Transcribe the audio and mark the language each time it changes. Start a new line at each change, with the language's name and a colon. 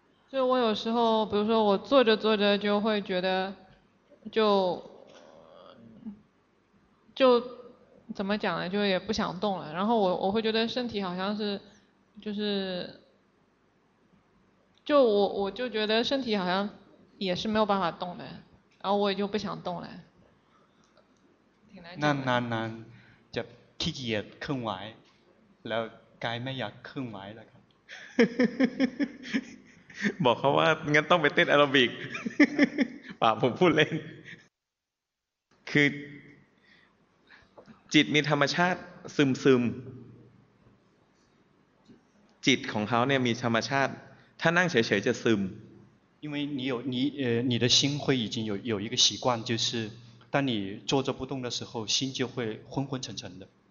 Chinese: 所以我有时候比如说我坐着坐着就会觉得就怎么讲呢就也不想动了然后我会觉得身体好像是就是就我就觉得身体好像也是没有办法动的然后我也就不想动了挺难讲的那就
Thai: ขี้เกียจเคลื่อนไหวแล้วกายไม่อยากเคลื่อนไหวแล้วครับ บอกเขาว่างั้นต้องไปเต้นแอโรบิกป่าผมพูดเล่นคือจิตมีธรรมชาติซึมจิตของเขาเนี่ยมีธรรมชาติถ้านั่งเฉยๆจะซึม
Chinese: 因为你有你你的心会已经有一个习惯就是当你坐着不动的时候心就会昏昏沉沉的